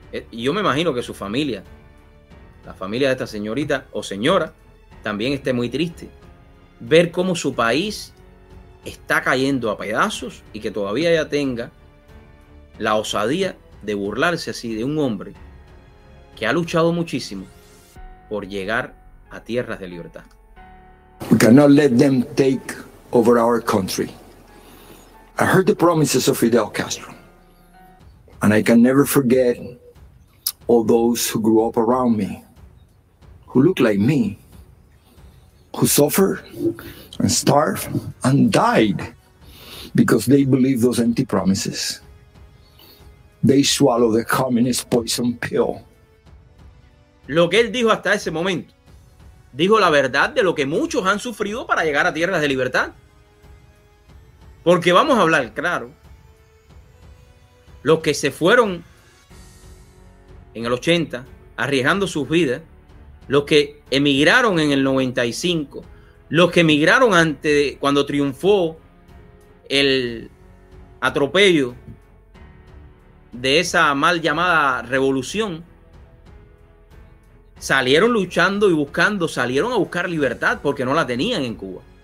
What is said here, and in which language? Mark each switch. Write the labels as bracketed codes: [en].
[es] Yo me imagino que su familia, la familia de esta señorita o señora, también esté muy triste. Ver cómo su país está cayendo a pedazos y que todavía ella tenga la osadía de burlarse así de un hombre que ha luchado muchísimo por llegar a tierras de libertad. [en] We cannot let them take over our country. I heard the promises of Fidel Castro, and I can never forget all those who grew up around me, who looked like me, who suffered and starved and died because they believed those empty promises. They swallowed the communist poison pill. [es] Lo que él dijo hasta ese momento, dijo la verdad de lo que muchos han sufrido para llegar a tierras de libertad. Porque vamos a hablar claro. Los que se fueron en el 80 arriesgando sus vidas, los que emigraron en el 95, los que emigraron antes de, cuando triunfó el atropello de esa mal llamada revolución, salieron luchando y buscando, salieron a buscar libertad porque no la tenían en Cuba.